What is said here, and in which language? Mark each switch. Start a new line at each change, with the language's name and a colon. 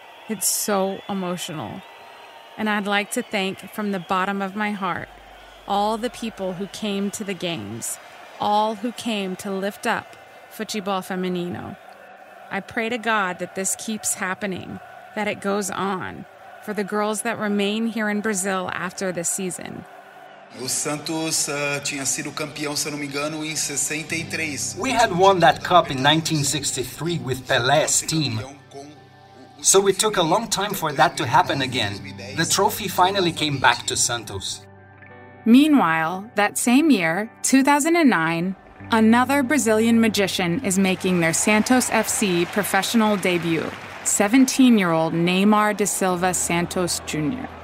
English: It's so emotional. And I'd like to thank, from the bottom of my heart, all the people who came to the games, all who came to lift up Futebol Feminino. I pray to God that this keeps happening, that it goes on, for the girls that remain here in Brazil after this season.
Portuguese: O Santos tinha sido campeão, se não me engano, em 63.
English: We had won that cup in 1963 with Pelé's team. So it took a long time for that to happen again. The trophy finally came back to Santos. Meanwhile, that same year, 2009, another Brazilian magician is making their Santos FC professional debut. 17-year-old Neymar da Silva Santos Jr.